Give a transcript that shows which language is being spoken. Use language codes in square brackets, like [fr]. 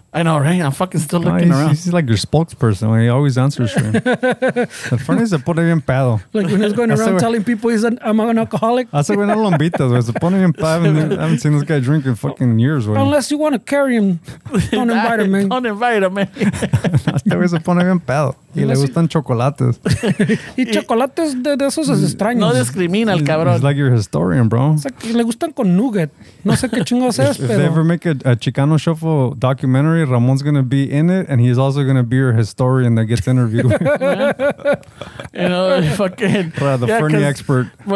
[en] I know, right? I'm fucking still looking around. He's like your spokesperson. He always answers for him. [es] Fernie se pone bien pedo. [en] Like when he's going around telling people I'm an alcoholic. I said, we're not lombitas, güey. [es] Se pone bien pedo. [en] I haven't seen this guy drink in fucking years, güey. Unless you want to carry him. Don't invite him, man. Don't invite him, man. [es] Este güey se pone bien pedo. Y le gustan chocolates. Y chocolates de esos es extraños. No discrimina el cabrón. [en] He's like your historian, bro. [es] Le gustan con nugget. No sé qué chingo es, pero... [en] If they ever make a Chicano Shuffle documentary, Ramon's gonna be in it and he's also gonna be your historian that gets interviewed. Yeah. You know, fucking the Fernie expert.